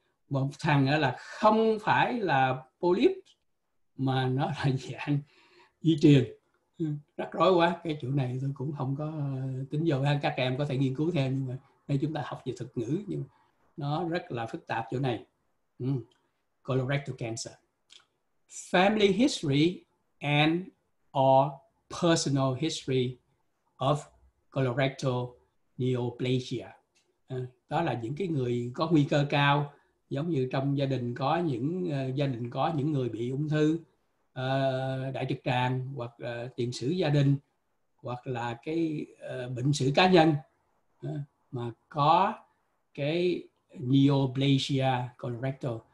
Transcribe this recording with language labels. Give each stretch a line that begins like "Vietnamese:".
Vietnamese: Một thằng là không phải là polyp, mà nó là dạng di truyền. Rắc rối quá, cái chữ này tôi cũng không có tính vô, các em có thể nghiên cứu thêm, nhưng mà đây chúng ta học về thuật ngữ, nhưng nó rất là phức tạp chỗ này.
English: Colorectal cancer. Family history and or personal history of colorectal neoplasia.
Vietnamese: Đó là những cái người có nguy cơ cao, giống như trong gia đình có những người bị ung thư đại trực tràng, hoặc tiền sử gia đình, hoặc là cái bệnh sử cá nhân mà có cái neoplasia colorectal.